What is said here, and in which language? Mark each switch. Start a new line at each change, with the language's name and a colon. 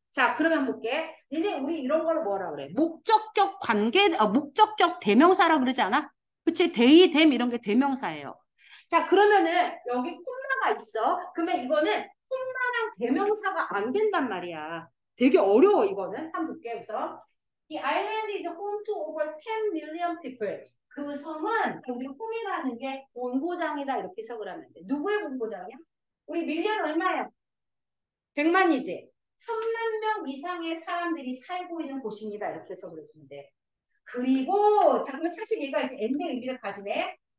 Korean: 자, 그러면 볼게. 니네 우리 이런 걸 뭐라 그래? 목적격 관계, 목적격 대명사라 그러지 않아? 그치? 데이, 댐 이런 게 대명사예요. 자, 그러면은 여기 콤마가 있어. 그러면 이거는 콤마랑 대명사가 안 된단 말이야. 되게 어려워, 이거는. 한번 볼게, 우선.
English: The island is home to over 10 million people.
Korean: 그 섬은 우리 홈이라는 게 본고장이다. 이렇게 해석을 하면 돼. 누구의 본고장이야? 우리 밀리언 얼마야? 100만이지? 1000만 명 이상의 사람들이 살고 있는 곳입니다. 이렇게 해석을 해주면 돼. 그리고, 자, 그러면 사실 얘가 이제 엔드 의미를 가지네.